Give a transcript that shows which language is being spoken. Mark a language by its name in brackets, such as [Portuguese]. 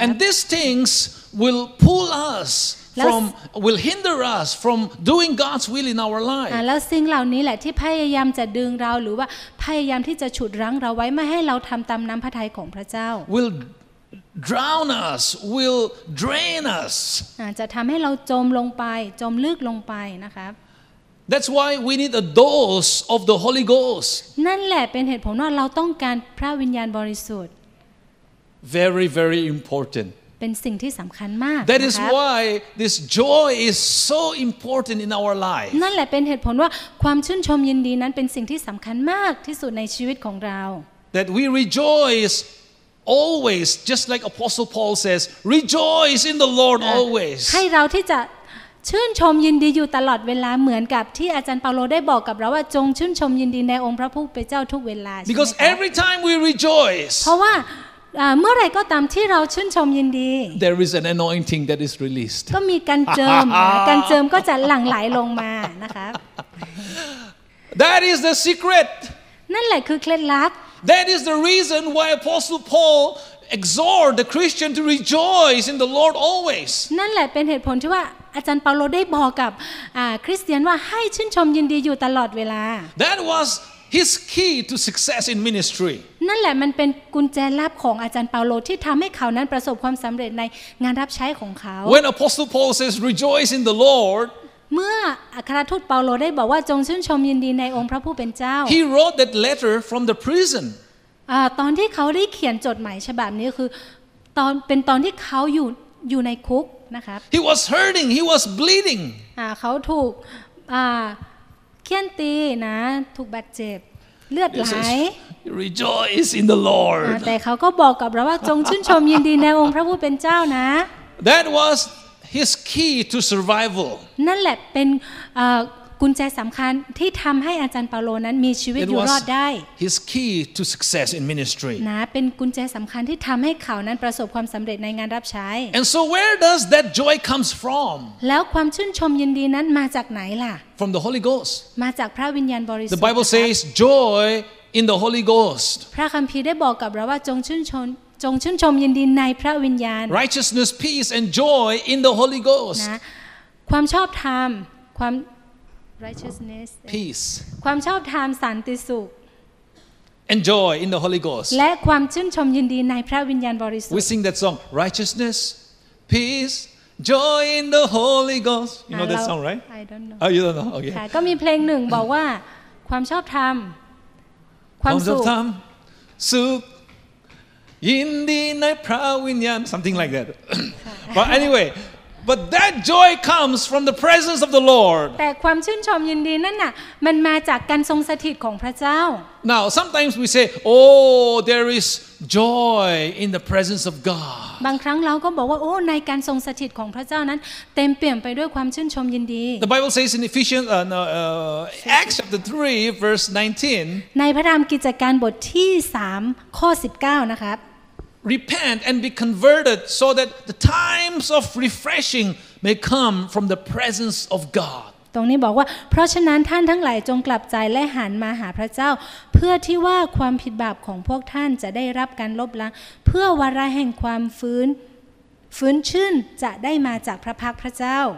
[English] And these things will pull us from will hinder us from doing God's will in our life [Thai] แล้วสิ่งเหล่านี้แหละที่พยายามจะดึงเราหรือว่าพยายามที่จะฉุดรั้งเราไว้ไม่ให้เราทำตามน้ำพระทัยของพระเจ้า [English] will drown us will drain us [Thai] จะทำให้เราจมลงไปจมลึกลงไปนะครับ [English] That's why we need a dose of the Holy Ghost. [Thai] นั่นแหละเป็นเหตุผลว่าเราต้องการพระวิญญาณบริสุทธิ์ [English] Very, very important. [Thai] เป็นสิ่งที่สำคัญมากนะ ครับ [English] That is why this joy is so important in our life. [Thai] นั่นแหละเป็นเหตุผลว่าความชื่นชมยินดีนั้นเป็นสิ่งที่สำคัญมากที่สุดในชีวิตของเรา [English] That we rejoice. Always, just like Apostle Paul says, rejoice in the Lord always. [Thai] ให้เราที่จะชื่นชมยินดีอยู่ตลอดเวลาเหมือนกับที่อาจารย์เปาโลได้บอกกับเราว่าจงชื่นชมยินดีในองค์พระผู้เป็นเจ้าทุกเวลา [English] Because every time we rejoice. [Thai] เพราะว่าเมื่อไรก็ตามที่เราชื่นชมยินดี [English] There is an anointing that is released. [Thai] ก็มีการเจิมการเจิมก็จะหลั่งไหลลงมานะครับ [English] That is the secret. [Thai] นั่นแหละคือเคล็ดลับ [English] That is the reason why Apostle Paul exhort the Christian to rejoice in the Lord always. [Thai] นั่นแหละเป็นเหตุผลที่ว่าอาจารย์เปาโลได้บอกกับคริสเตียนว่าให้ชื่นชมยินดีอยู่ตลอดเวลา [English] That was his key to success in ministry [Thai] นั่นแหละมันเป็นกุญแจลับของอาจารย์เปาโลที่ทำให้เขานั้นประสบความสำเร็จในงานรับใช้ของเขา [English] When Apostle Paul says rejoice in the Lord [Thai] เมื่ออัครทูตเปาโลได้บอกว่าจงชื่นชมยินดีในองค์พระผู้เป็นเจ้า [English] He wrote that letter from the prison [Thai] ตอนที่เขาได้เขียนจดหมายฉบับนี้คือตอนเป็นตอนที่เขาอยู่ในคุกนะครับ [English] He was hurting he was bleeding [Thai] เขาถูกเขี้ยนตีนะถูกบาดเจ็บเลือดไหล [English] Rejoice in the Lord [Thai] แต่เขาก็บอกกับเราว่าจงชื่นชมยินดีในองค์พระผู้เป็นเจ้านะ [English] That was his key to survival [Thai] นั่นแหละเป็นกุญแจสำคัญที่ทำให้อาจารย์เปาโลนั้นมีชีวิตอยู่รอดได้ [English] His key to success in ministry [Thai] นะเป็นกุญแจสำคัญที่ทำให้เขานั้นประสบความสำเร็จในงานรับใช้ [English] And so where does that joy comes from [Thai] แล้วความชื่นชมยินดีนั้นมาจากไหนล่ะ [English] From the Holy Ghost [Thai] มาจากพระวิญญาณบริสุทธิ์ [English] The Bible says joy in the Holy Ghost [Thai] พระคัมภีร์ได้บอกกับเราว่าจงชื่นชมยินดีในพระวิญญาณ [English] Righteousness peace and joy in the Holy Ghost [Thai] นะความชอบธรรมความ [English] righteousness peace [Thai] ความชอบธรรมสันติสุข [English] enjoy in the holy ghost [Thai] และความชื่นชมยินดีในพระวิญญาณบริสุทธิ์ [English] We sing that song righteousness peace joy in the holy ghost you know that song right I don't know Oh you don't know okay [Thai] ก็มีเพลงหนึ่งบอกว่าความชอบธรรม ความสุขสุขยินดีในพระวิญญาณ [English] something like that but anywayBut that joy comes from the presence of the Lord. [Thai] แต่ความชื่นชมยินดีนั่นน่ะมันมาจากการทรงสถิตของพระเจ้า [English] Now sometimes we say, "Oh, there is joy in the presence of God." [Thai] บางครั้งเราก็บอกว่าโอ้ในการทรงสถิตของพระเจ้านั้นเต็มเปี่ยมไปด้วยความชื่นชมยินดี [English] The Bible says in Ephesians, Acts chapter 3, verse 19. [Thai] ในพระธรรมกิจการบทที่3ข้อ19นะครับ [English] repent and be converted so that the times of refreshing may come from the presence of God [Thai] ตรงนี้บอกว่าเพราะฉะนั้นท่านทั้งหลายจงกลับใจและหันมาหาพระเจ้าเพื่อที่ว่าความผิดบาปของพวกท่านจะได้รับการลบล้างเพื่อวาระแห่งความฟื้นชื่นจะได้มาจากพระพักตร์พระเจ้า